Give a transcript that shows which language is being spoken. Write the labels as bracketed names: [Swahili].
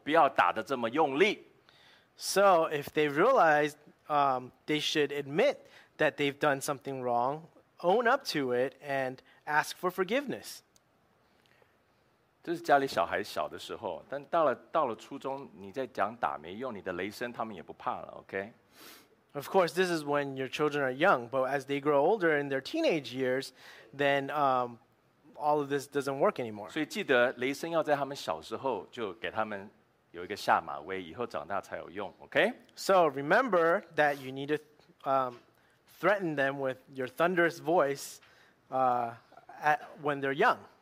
[Chinese] 然后呢，跟爸爸说对不起，我不愿意再犯，但是我没学好，请你饶恕我，不要打得这么用力。 [English] So if they realize they should admit that they've done something wrong, own up to it and ask for forgiveness. [Chinese] 这是家里小孩小的时候，但到了初中，你再讲打没用，你的雷声他们也不怕了，okay? [English] Of course, this is when your children are young, but as they grow older in their teenage years, then all of this doesn't work anymore. [Chinese] 所以记得雷声要在他们小时候就给他们有一个下马威，以后长大才有用, okay? [English] So remember that you need to threaten them with your thunderous voice when they're young.